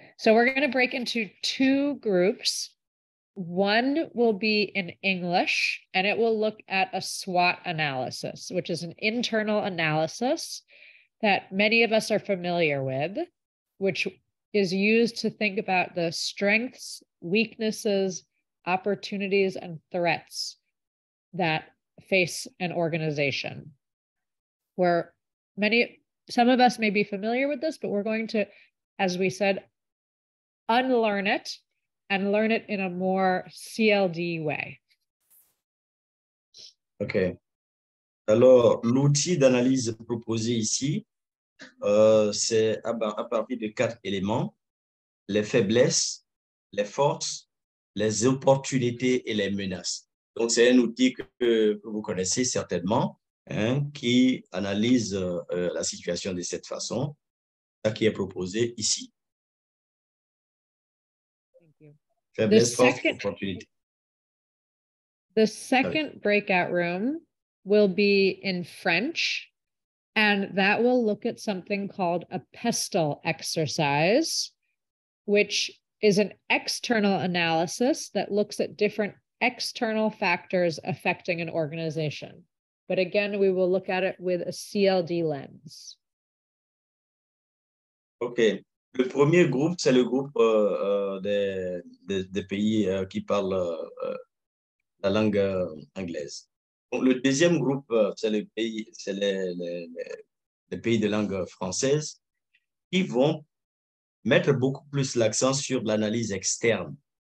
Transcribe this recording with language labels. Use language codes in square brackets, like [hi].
[en] So we're going to break into two groups. One will be in English, and it will look at a SWOT analysis, which is an internal analysis that many of us are familiar with, which is used to think about the strengths, weaknesses, opportunities, and threats that face an organization. Where some of us may be familiar with this, but we're going to, as we said, unlearn it and learn it in a more CLD way. OK. [fr] Alors, l'outil d'analyse proposé ici, c'est à partir de quatre éléments, les faiblesses, les forces, les opportunités et les menaces. Donc, c'est un outil que vous connaissez certainement, hein, qui analyse la situation de cette façon, ça qui est proposé ici. Faiblesses, forces, opportunités. [en] The second breakout room will be in French, and that will look at something called a PESTEL exercise, which is an external analysis that looks at different external factors affecting an organization. But again, we will look at it with a CLD lens. Okay. [fr] Le premier groupe, c'est le groupe des pays qui parlent la langue anglaise. Le deuxième groupe, c'est les pays, c'est les pays de langue française qui vont mettre beaucoup plus l'accent sur l'analyse externe.